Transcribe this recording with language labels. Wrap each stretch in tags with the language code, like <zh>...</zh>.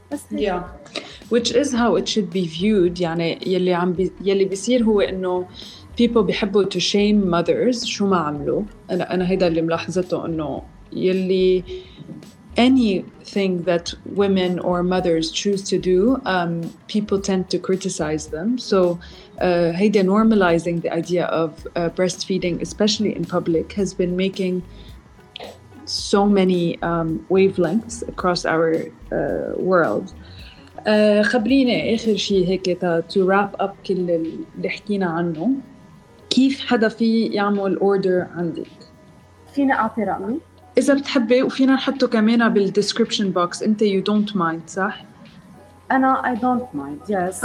<en>Yeah, which is how it should be viewed.</en> <ar>يعني يلي بيصير هو إنه people بيحبوا</ar> <en>to shame mothers</en> <ar>شو ما عملوا. أنا هيدا اللي ملاحظته، إنه يلي</ar> <en>anything that women or mothers choose to do, people tend to criticize them. So هيدا normalizing the idea of breastfeeding, especially in public, has been making so many wavelengths across our world.</en> <ar>خبريني آخر شيء هيك</ar> <en>to wrap up</en> <ar>كل اللي حكينا عنه، كيف حدا في يعمل order عندك؟ فينا أعطي رقمي؟ إذا بتحبي، وفينا نحطه كمان بالdescription box. أنت</ar> <en>you don't mind</en> <ar>صح؟</ar> <en>أنا I don't mind yes.</en>